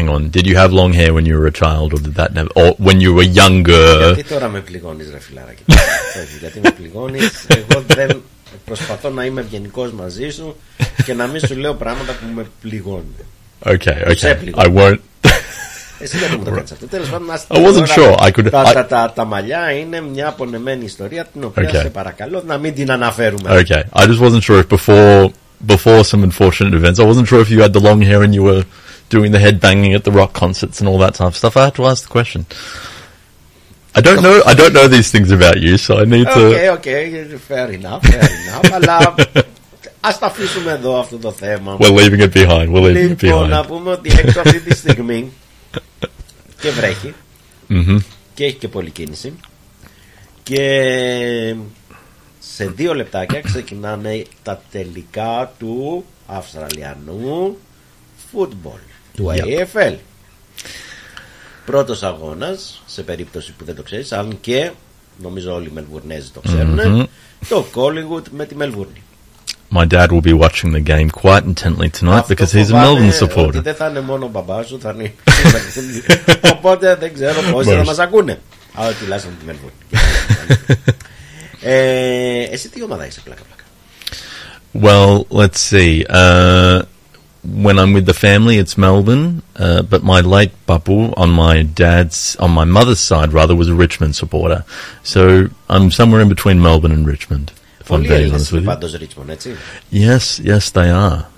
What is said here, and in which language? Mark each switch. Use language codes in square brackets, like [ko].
[en] Did you have long hair when you were a child, or did that never, or when you were younger? [el] Γιατί τώρα με πληγώνεις, ρε φιλάρακι. Γιατί με πληγώνεις. Εγώ δεν προσπαθώ να είμαι ευγενικός μαζί σου και να μην σου λέω πράγματα που με πληγώνουν. [en] Okay. I won't. [el] Εσύ δεν μου το κάνεις αυτό. Τέλος πάντων, [en] I wasn't sure. I could. [el] Τα μαλλιά είναι μια απονεμένη ιστορία την οποία okay. Σε παρακαλώ να μην την αναφέρουμε. [en] Okay. I just wasn't sure if before some unfortunate events, I wasn't sure if you had the long hair and you were doing the head banging at the rock concerts and all that type of stuff. I had to ask the question. I don't know these things about you, so I need to. Okay. Fair enough. [el] Αλλά ας τα αφήσουμε εδώ αυτό το θέμα. [en] We're leaving it behind. [el] Λοιπόν, να πούμε ότι έξω αυτή τη στιγμή. Και βρέχει. Mm-hmm. Και έχει και πολλή κίνηση. Και σε δύο λεπτάκια ξεκινάνε τα τελικά του Αυστραλιανού football, του AFL. Πρώτος αγώνας, σε περίπτωση που δεν το ξέρεις, αν και νομίζω όλοι οι Μελβουρνέζοι το ξέρουν, το Collingwood με τη Μελβούρνη. [en] My dad will be watching the game quite intently tonight because he's a Melbourne supporter. [el] Δεν θα είναι μόνο ο μπαμπάς σου, θα είναι... Οπότε δεν ξέρω πόσοι θα μας ακούνε. Αλλά τουλάχιστον τη Μελβούρνη. εσύ τι ομάδα είσαι, πλάκα-πλάκα? [en] Well, let's see... When I'm with the family, it's Melbourne, but my late bapu on my mother's side, rather, was a Richmond supporter. So I'm somewhere in between Melbourne and Richmond, if I'm very honest with you. [el] Richmond, έτσι. [en] Yes, yes, they are.